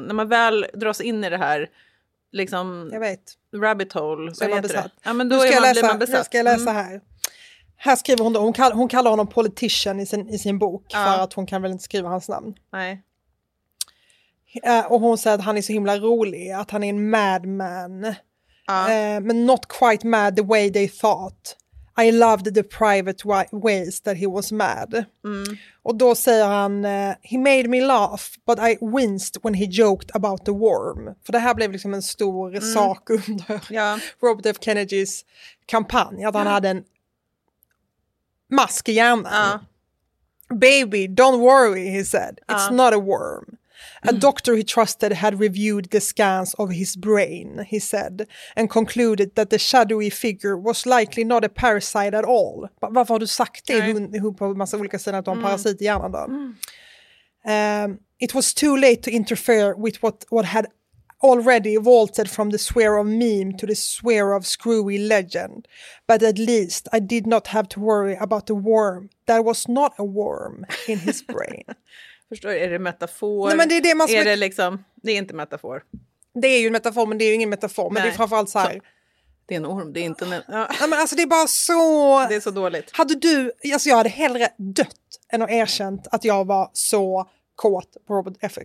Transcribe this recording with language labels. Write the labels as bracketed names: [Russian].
[Swedish] När man väl dras in i det här liksom, jag vet. [English] Rabbit hole. [Swedish] Så är man besatt. Ja, men då är man, blir man besatt. Nu ska jag läsa här. Här skriver hon då. Hon kallar honom politician i sin bok. Ja. För att hon kan väl inte skriva hans namn. Nej. Och hon säger att han är så himla rolig. Att han är en madman. Ja. [English] Men not quite mad the way they thought. I loved the private ways that he was mad. [Swedish] Och då säger han, [English] he made me laugh, but I winced when he joked about the worm. [Swedish] För det här blev liksom en stor sak under Robert F. Kennedys kampanj. Att han hade en mask i hjärnan. [English] Baby, don't worry, he said. It's not a worm. A doctor he trusted had reviewed the scans of his brain, he said, and concluded that the shadowy figure was likely not a parasite at all. [Swedish] Varför har du sagt det ihop på en massa olika sidor att du har en parasit i hjärnan då? [English] It was too late to interfere with what had already vaulted from the sphere of meme to the sphere of screwy legend. But at least I did not have to worry about the worm. There was not a worm in his brain. [Swedish] Förstår du, är det metafor? Nej, men det är det man ska... Är det liksom, det är inte metafor. Det är ju en metafor, men det är ju ingen metafor. Men det är framförallt så här... Det är en orm, det är inte... Nej, men alltså det är bara så... Det är så dåligt. Hade du... Alltså jag hade hellre dött än att erkänt att jag var så kåt på Robert F.